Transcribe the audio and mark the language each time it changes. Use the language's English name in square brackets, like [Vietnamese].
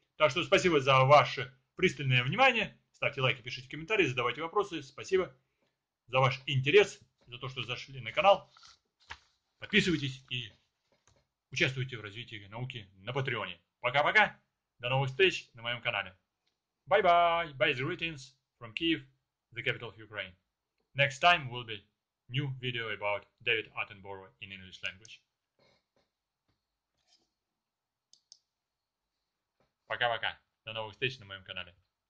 [Russian] Так что спасибо за ваше пристальное внимание. Ставьте лайки, пишите комментарии, задавайте вопросы. Спасибо за ваш интерес, за то, что зашли на канал. Подписывайтесь и участвуйте в развитии науки на Патреоне. Пока-пока. До новых встреч на моем канале. [English] Bye-bye. Bye the greetings from Kyiv, the capital of Ukraine. Next time will be new video about David Attenborough in English language. [Russian] Пока-пока. До новых встреч на моем канале.